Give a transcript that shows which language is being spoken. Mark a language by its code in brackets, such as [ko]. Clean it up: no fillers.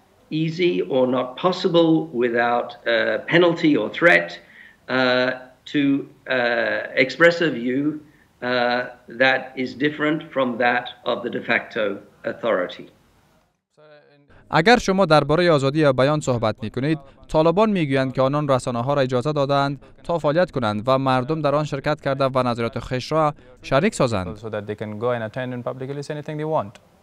[en] Easy or not possible without penalty or threat to express a view that is different from that of the de facto authority. [fa] اگر شما درباره آزادی بیان صحبت می کنید، طالبان می گویند که آنان رسانه ها را اجازه دادند تا فعالیت کنند و مردم در آن شرکت کرده و نظرات خیش را شریک سازند. [en] So that they can go and attend and publicly say anything they want.